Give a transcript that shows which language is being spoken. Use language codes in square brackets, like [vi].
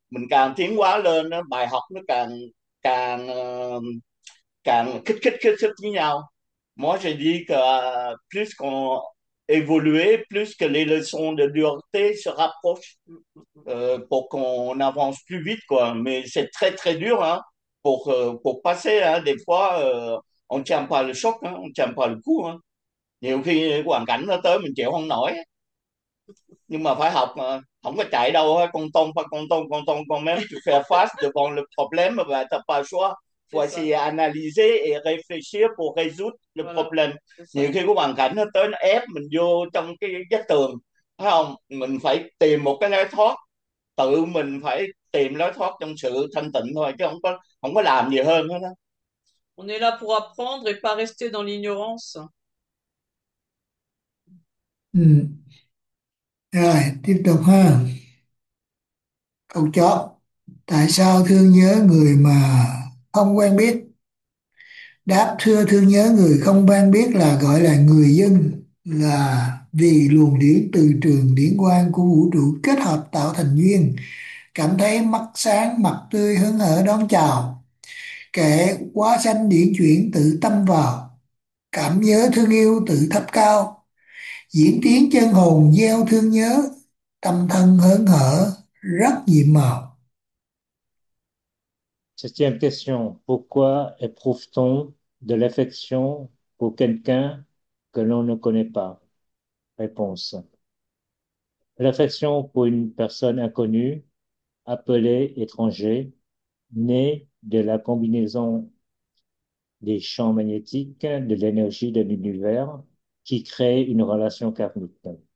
[vi] Mình càng tiến hóa lên, bài học nó càng càng càng khích khích khích thích với nhau. [fr] Moi j'ai dit que plus qu'on évoluer, plus que les leçons de dureté se rapprochent pour qu'on avance plus vite, quoi. Mais c'est très très dur, hein, pour passer, hein. Des fois on tient pas le choc, hein, on tient pas le coup, hein. [vi] Nhiều khi hoàn cảnh nó tới mình chịu không nổi, nhưng mà phải học, không có chạy đâu hết. Con tôm [fr] même tu fais face devant le problème [vi] và [fr] t'as pas le choix. C'est Voici ça. analyser et réfléchir pour résoudre le Voilà, problème. c'est ça. [vi] Nhiều khi có hoàn cảnh nó tới, nó ép mình vô trong cái vách tường, phải không? Mình phải tìm một cái lối thoát, tự mình phải tìm lối thoát trong sự thanh tịnh thôi, chứ không có làm gì hơn hết đó. [fr] On est là pour apprendre et pas rester dans l'ignorance. [vi] Ừ. Rồi, tiếp tục ha. Câu chót. Tại sao thương nhớ người mà không quen biết? Đáp: thưa, thương nhớ người không quen biết là gọi là người dân, là vì luồng điển từ trường điển quang của vũ trụ kết hợp tạo thành duyên, cảm thấy mắt sáng mặt tươi hớn hở đón chào, kẻ hóa sanh điển chuyển tự tâm vào, cảm nhớ thương yêu tự thắp cao, diễn tiến chân hồn gieo thương nhớ, tâm thân hớn hở rất nhiệm màu. [fr] Septième question, pourquoi éprouve-t-on de l'affection pour quelqu'un que l'on ne connaît pas? Réponse. L'affection pour une personne inconnue, appelée étranger, naît de la combinaison des champs magnétiques de l'énergie de l'univers qui crée une relation karmique.